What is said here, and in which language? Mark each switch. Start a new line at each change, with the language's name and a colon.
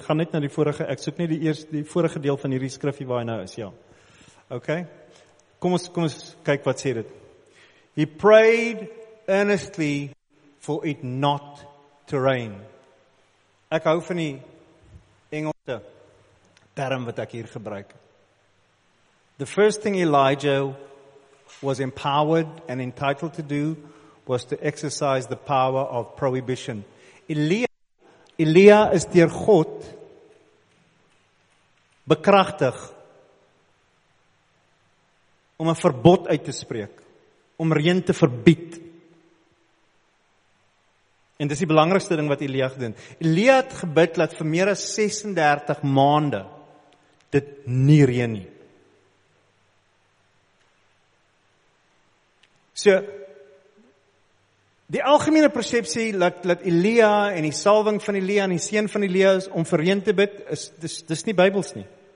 Afrikaans: Gaan net na die vorige, ek soek net die vorige deel van hierdie skrifie waar hy nou is, ja. Ok. Kom ons kyk wat sê dit.
English: He prayed earnestly for it not to rain.
Afrikaans: Ek hou van die Engelse term wat ek hier gebruik.
English: The first thing Elijah was empowered and entitled to do was to exercise the power of prohibition.
Afrikaans: Elia is deur God bekragtig om een verbod uit te spreek, om reën te verbied. En dis die belangrikste ding wat Elia gedoen. Elia het gebid dat vir meer as 36 maande dit nie reën nie. So, die algemene persepsie dat Elia en die salving van Elia en die seën van Elia is om vir reën te bid, dis nie Bybels nie.